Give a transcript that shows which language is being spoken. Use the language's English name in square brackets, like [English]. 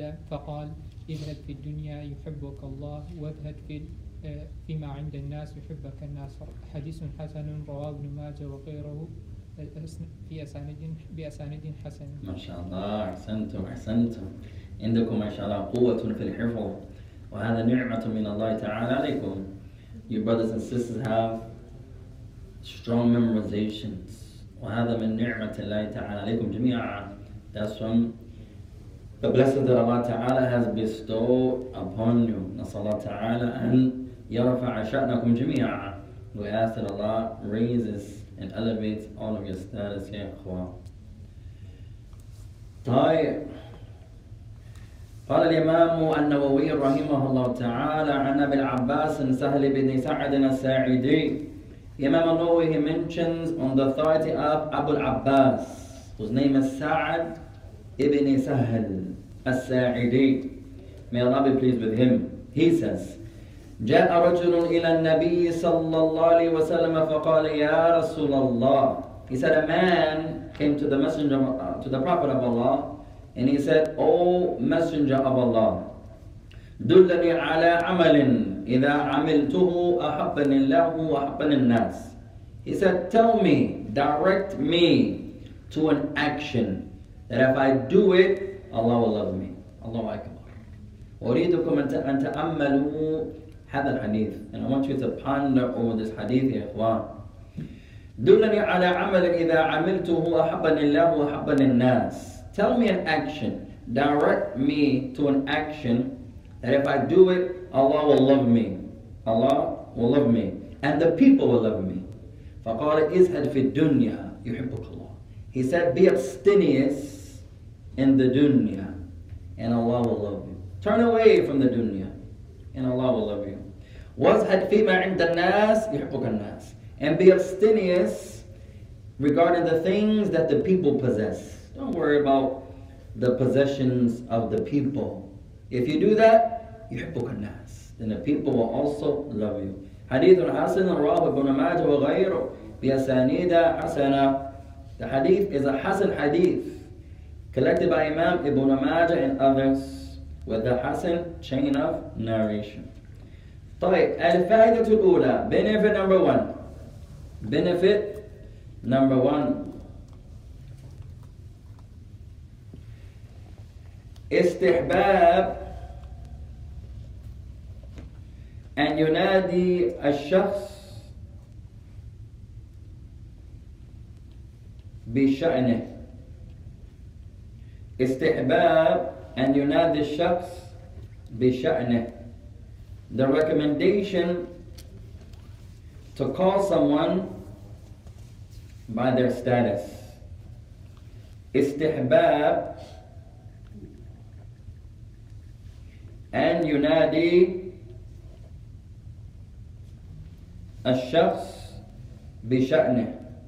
[Arabic] فقال اذهب في الدنيا يحبك الله واذهب فيما عند الناس يحبك الناس. حديث حسن رواه ابن ماجه وغيره بأسانيد حسن. ما شاء الله أحسنتم أحسنتم. عندكم ما شاء الله قوة في الحفظ وهذا نعمة من الله تعالى عليكم. [English] Your brothers and sisters have strong memorizations [Arabic] وهذا من نعمة الله تعالى عليكم جميعا. [English] That's from the blessing that Allah تعالى has bestowed upon you. [Arabic] نسأل الله تعالى أن يرفع شأنكم جميعا. [English] We ask that Allah raises and elevates all of your status here, إخوان. [Arabic] طيب قال الإمام النووي رحمه الله تعالى عن أبي العباس سهل بن سعد الساعدي. [English] إمام النووي he mentions on the authority of Abu al-Abbas whose name is Sa'ad ibn Sahl al-Sa'idi. May Allah be pleased with him. He says [Arabic] جاء رجل إلى النبي صلى الله عليه وسلم فقال يا رسول الله. [English] He said a man came to the messenger to the Prophet of Allah and he said, O Messenger of Allah, [Arabic] دلني على عمل إذا عملته أحبني الله وأحبني الناس. [English] He said, tell me, direct me to an action that if I do it, Allah will love me. Allahu Akbar. [Arabic] أريدكم أن تأملوا هذا الحديث. [English] And I want you to ponder over this hadith, يا إخوان. [Arabic] دلني على عمل إذا عملته أحبني الله وأحبني الناس. [English] Tell me an action. Direct me to an action that if I do it, Allah will love me. Allah will love me. And the people will love me. [Arabic] فقال إزهد في الدنيا يحبك الله. [English] He said, be abstemious in the dunya, and Allah will love you. Turn away from the dunya, and Allah will love you. [Arabic] وَزْهَدْ فِي مَا عِنْدَ النَّاسِ يُحْبُكَ النَّاسِ. [English] And be abstemious regarding the things that the people possess. Don't worry about the possessions of the people. If you do that, [Arabic] يُحْبُكَ النَّاسِ. [English] Then the people will also love you. [Arabic] حديث حسن رواه ابن ماجه وغيره بأسانيد حسنة. [English] The hadith is a Hasan hadith collected by Imam Ibn Majah and others with the Hasan chain of narration. [Arabic] طيب الفائدة الأولى, [English] benefit number one. Benefit number one. [Arabic] استحباب أن ينادي الشخص بشأنه. استحباب أن ينادي الشخص بشأنه. [English] The recommendation to call someone by their status. [Arabic] استحباب أن ينادي الشخص بشأنه.